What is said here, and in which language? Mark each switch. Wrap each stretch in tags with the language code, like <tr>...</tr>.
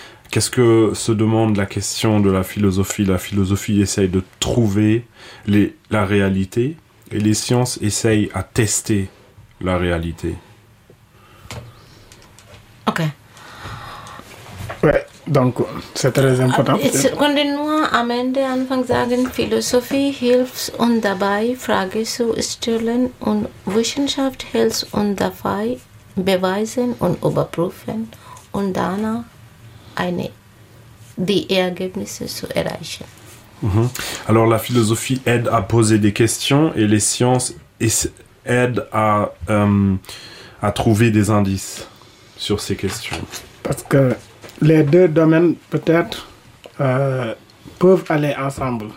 <fr>Qu'est-ce que se demande la question de la philosophie ? La philosophie essaye de trouver la réalité et les sciences essayent à tester la réalité. Ok. Ouais. Donc, c'est très important.</fr> <de>Ich konnte nur am Ende Anfang sagen, Philosophie hilft uns dabei, Fragen zu stellen und Wissenschaft hilft uns dabei, beweisen und überprüfen und danach die Ergebnisse zu erreichen. Mhm.</de> <fr>Alors, la philosophie aide à poser des questions et les sciences aident à trouver des indices sur ces questions. Parce que les deux domaines, peut-être, peuvent aller ensemble.</fr>